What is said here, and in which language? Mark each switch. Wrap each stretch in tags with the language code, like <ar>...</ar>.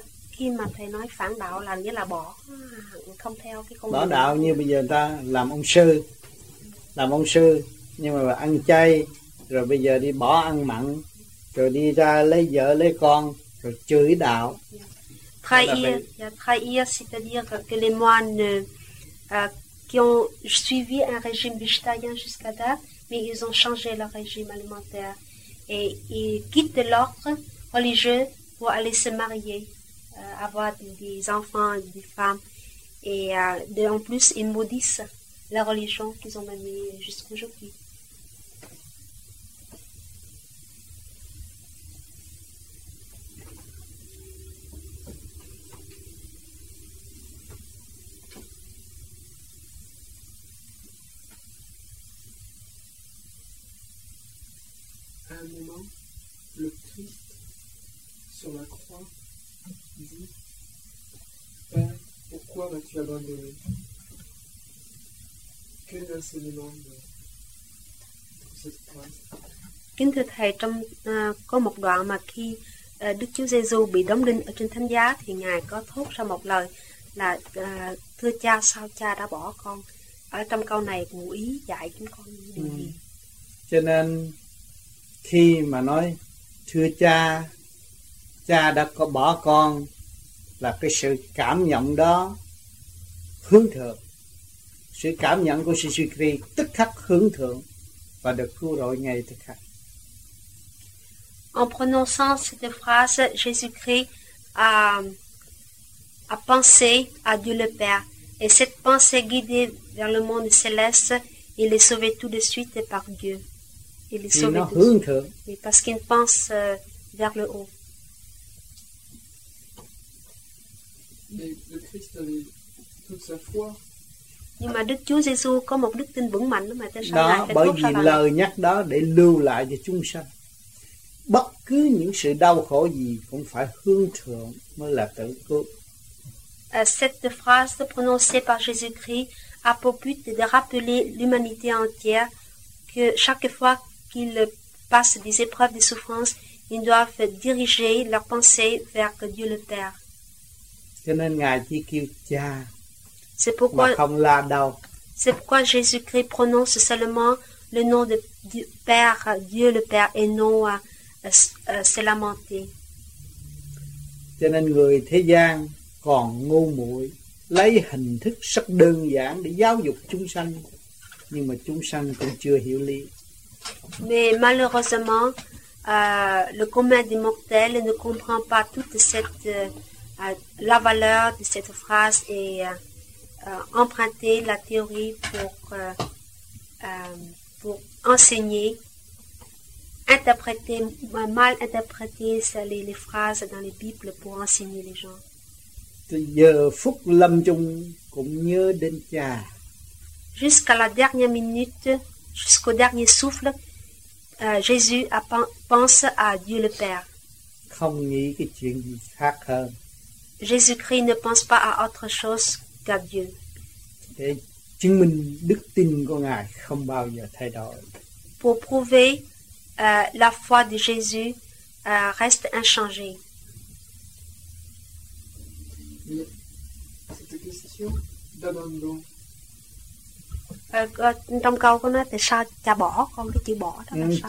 <vi>khi mà thầy nói phản đạo là nghĩa là bỏ không theo cái con bỏ đạo như bây giờ người ta làm ông sư nhưng mà ăn chay, rồi bây giờ đi bỏ ăn mặn, rồi đi ra lấy vợ lấy con, rồi chửi đạo.</vi> <fr>Trahir, c'est-à-dire que les moines qui ont suivi un régime végétarien jusqu'à date, mais ils ont changé leur régime alimentaire et ils quittent l'ordre religieux pour aller se marier, avoir des enfants, des femmes, et en plus ils maudissent la religion qu'ils ont menée jusqu'à aujourd'hui. Un moment, le Christ sur la croix dit: Père, pourquoi m'as-tu abandonné? Quel est l'enseignement de cette phrase?</fr> <vi>Kính thưa thầy, trong có một đoạn mà khi Đức Chúa Giêsu bị đóng đinh ở trên thánh giá thì ngài có thốt ra một lời là thưa cha, sao cha đã bỏ con? Ở trong câu này ngụ ý dạy chúng con điều gì? Cho nên khi mà nói thưa cha, cha đã có bỏ con là cái sự cảm nhận đó hướng thượng. Sự cảm nhận của Sư Kri tức khắc hướng thượng và được cứu rỗi ngay tức khắc.</vi> <fr>En prononçant cette phrase, Jésus-Christ a pensé à Dieu le Père et cette pensée guidée vers le monde céleste, il est sauvé tout de suite par Dieu. Il est sauvé tout de suite parce qu'il pense vers le haut. Mais le Christ avait toute sa foi.</fr> <vi>Nhưng mà Đức Chúa Giêsu có một đức tin vững mạnh mà tại sao đó, bởi vì lời nhắc đó để lưu lại cho chúng sanh. Bất cứ những sự đau khổ gì cũng phải hướng thượng mới là tự cứu.</vi> <fr>Cette phrase prononcée par Jésus-Christ a pour but de rappeler l'humanité entière que chaque fois qu'ils passent des épreuves de souffrance, ils doivent diriger leurs pensées vers Dieu le Père.</fr> <vi>Cho nên ngài chỉ kêu cha.</vi> <fr>C'est pourquoi,</fr> <vi>mà không la đâu.</vi> <fr>C'est pourquoi Jésus-Christ prononce seulement le nom de Père, Dieu le Père, et non se lamenter.</fr> <vi>Cho nên người thế gian còn ngu muội, lấy hình thức rất đơn giản để giáo dục chúng sanh, nhưng mà chúng sanh cũng chưa hiểu lý.</vi> <fr>Mais malheureusement, le commun des mortels ne comprend pas toute cette la valeur de cette phrase et emprunter la théorie pour enseigner, interpréter, mal interpréter les phrases dans les Bibles pour enseigner les gens.</fr> <vi>Giờ phút lâm chung cũng nhớ đến cha.</vi> <fr>Jusqu'à la dernière minute, jusqu'au dernier souffle, Jésus pense à Dieu le Père.</fr> <vi>Không nghĩ cái chuyện gì khác hơn.</vi> <fr>Jésus-Christ ne pense pas à autre chose qu'à Dieu.</fr> <vi>Et chứng minh đức tin của Ngài không bao giờ thay đổi.</vi> <fr>Pour prouver la foi de Jésus reste inchangée. Cette question d'abandon.</fr> <vi>Trong câu của nó, tại sao cha bỏ con, cái chữ bỏ đó là sao?</vi>